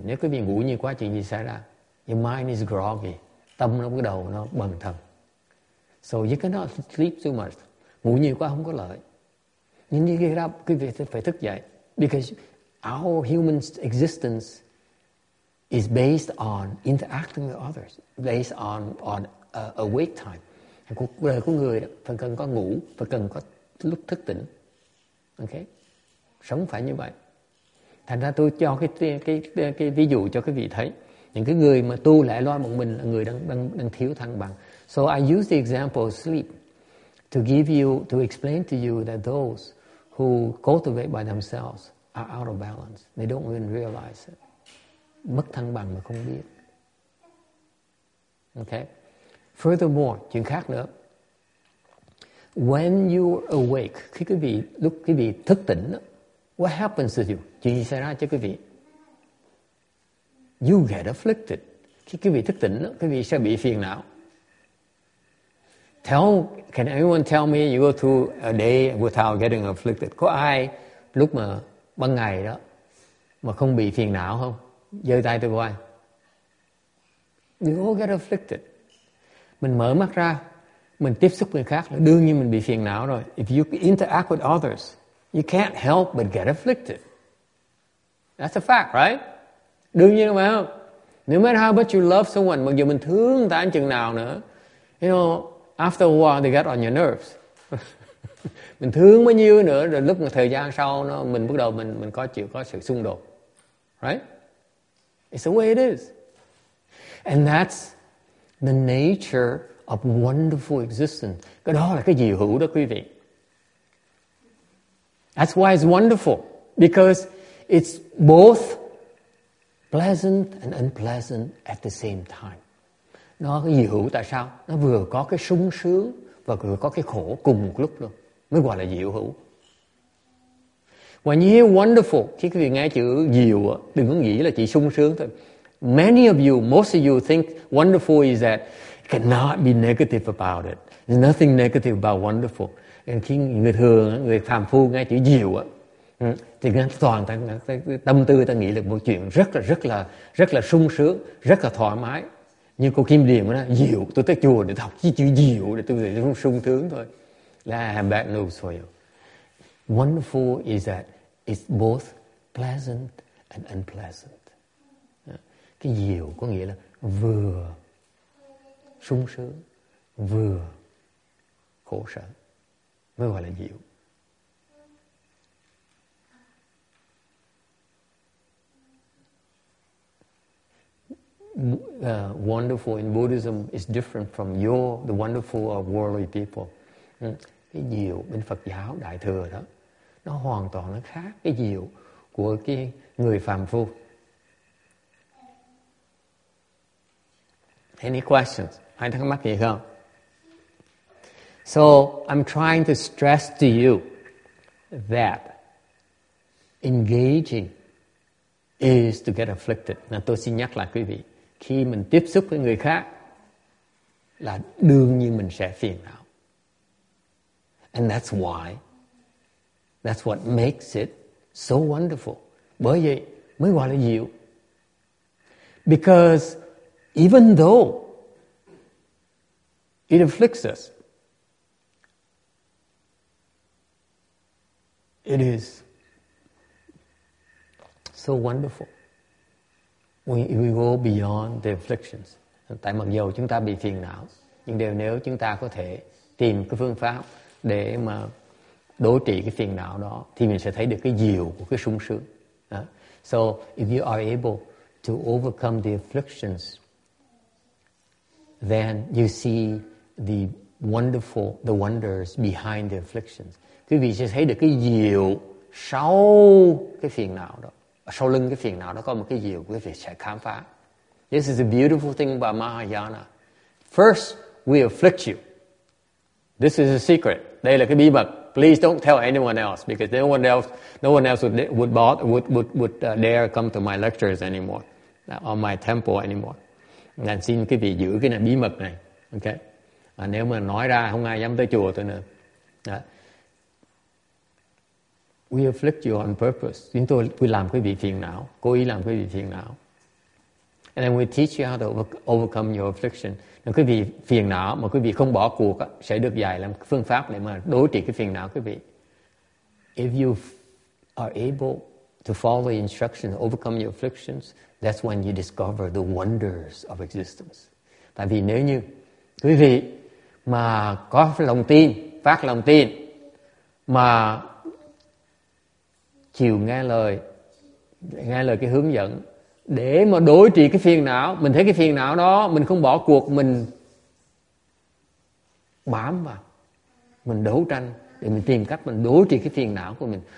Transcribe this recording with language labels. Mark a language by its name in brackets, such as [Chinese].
[Vietnamese] Nếu quý vị ngủ nhiều quá, chuyện gì xảy ra? [English] Your mind is groggy. [Vietnamese] Tâm nó bắt đầu nó bần thần. [English] So you cannot sleep too much. [Vietnamese] Ngủ nhiều quá không có lợi. Nhưng như gây ra, quý vị phải thức dậy. [English] Because our human existence is based on interacting with others, based on awake time. [Vietnamese] Cuộc đời của người phải cần có ngủ, phải cần có lúc thức tỉnh. Okay? Sống phải như vậy. Thành ra tôi cho cái ví dụ cho quý vị thấy. Những cái người mà tu lẻ loi một mình là người đang thiếu thăng bằng. [English] So I use the example of sleep to explain to you that those who cultivate by themselves are out of balance. They don't even realize it. [Vietnamese] Mất thăng bằng mà không biết. [English] Okay. [Vietnamese] Furthermore, chuyện khác nữa. [English] When you're awake, [Vietnamese] khi quý vị thức tỉnh, [English] what happens to you? [Vietnamese] Chuyện gì xảy ra cho quý vị? [English] You get afflicted. [Vietnamese] Khi quý vị thức tỉnh, quý vị sẽ bị phiền não. [English] Can anyone tell me you go through a day without getting afflicted? [Vietnamese] Có ai lúc mà ban ngày đó mà không bị phiền não không? Giơ tay tôi coi. [English] You all get afflicted. [Vietnamese] Mình mở mắt ra, mình tiếp xúc người khác, đương nhiên mình bị phiền não rồi. [English] If you interact with others, you can't help but get afflicted. That's a fact, right? [Vietnamese] Đương nhiên phải không? [English] No matter how much you love someone, [Vietnamese] mặc dù mình thương ta chừng nào nữa, [English] you know, after a while they get on your nerves. [Vietnamese] Mình thương bao nhiêu nữa, rồi lúc một thời gian sau nó mình bắt đầu mình có chịu có sự xung đột, right? [English] It's the way it is. And that's the nature of wonderful existence. [Vietnamese] Cái đó là cái dị hữu đó quý vị. [English] That's why it's wonderful. Because it's both pleasant and unpleasant at the same time. [Vietnamese] Nó cái dị hữu tại sao? Nó vừa có cái sung sướng và vừa có cái khổ cùng một lúc luôn. Mới gọi là dị hữu. [English] When you hear wonderful, [Vietnamese] khi quý vị nghe chữ diệu, đừng có nghĩ là chỉ sung sướng thôi. [English] Many of you, most of you think wonderful is that cannot be negative about it. There's nothing negative about wonderful. [Vietnamese] And khi người thường, người phàm phu nghe chữ diệu, thì toàn tâm tư ta nghĩ là một chuyện rất là sung sướng, rất là thoải mái. Như cô Kim Điền nói, diệu, tôi tới chùa để học cái chữ diệu, để tôi thấy sung sướng thôi. [English] Là bad news for you. Wonderful is that it's both pleasant and unpleasant. [Vietnamese] Cái diệu có nghĩa là vừa sung sướng, vừa khổ sở. Mới gọi là diệu. [English] Wonderful in Buddhism is different from the wonderful of worldly people. [Vietnamese] Cái diệu bên Phật giáo Đại Thừa đó, nó hoàn toàn nó khác cái diệu của cái người phàm phu. [English] Any questions? [Vietnamese] Ai thắc mắc gì không? [English] So I'm trying to stress to you that engaging is to get afflicted. [Vietnamese] Nên tôi xin nhắc lại quý vị, khi mình tiếp xúc với người khác là đương nhiên mình sẽ phiền não. [English] And that's why. That's what makes it so wonderful. [Vietnamese] Bởi vậy mới gọi là diệu. [English] Because even though it afflicts us, it is so wonderful. We go beyond the afflictions. [Vietnamese] Tại mặc dù chúng ta bị phiền não, nhưng nếu chúng ta có thể tìm cái phương pháp để mà đối trị cái phiền não đó, thì mình sẽ thấy được cái diệu của cái sung sướng. [English] So if you are able to overcome the afflictions, then you see the wonderful, the wonders behind the afflictions. [Vietnamese] Quý vị sẽ thấy được cái diệu sau cái phiền não đó. Sau lưng cái phiền não đó có một cái diệu quý vị sẽ khám phá. [English] This is the beautiful thing about Mahayana. First, we afflict you. This is a secret. [Vietnamese] Đây là cái bí mật. [English] Please don't tell anyone else, because no one else would dare come to my lectures anymore, or my temple anymore. [Vietnamese] Nên xin quý vị giữ cái này, bí mật này. Okay. À, nếu mà nói ra không ai dám tới chùa tôi nữa. Đã. [English] We afflict you on purpose. [Vietnamese] Chúng tôi quý làm quý vị phiền não, cố ý làm quý vị phiền não. [English] And then we teach you how to overcome your affliction. [Vietnamese] Nếu quý vị phiền não mà quý vị không bỏ cuộc, sẽ được dạy làm phương pháp để mà đối trị cái phiền não quý vị. [English] If you are able to follow the instructions, overcome your afflictions, that's when you discover the wonders of existence. [Vietnamese] Tại vì nếu như quý vị mà có lòng tin, phát lòng tin, mà chịu nghe lời cái hướng dẫn, để mà đối trị cái phiền não, mình thấy cái phiền não đó, mình không bỏ cuộc, mình bám vào, mình đấu tranh, để mình tìm cách mình đối trị cái phiền não của mình.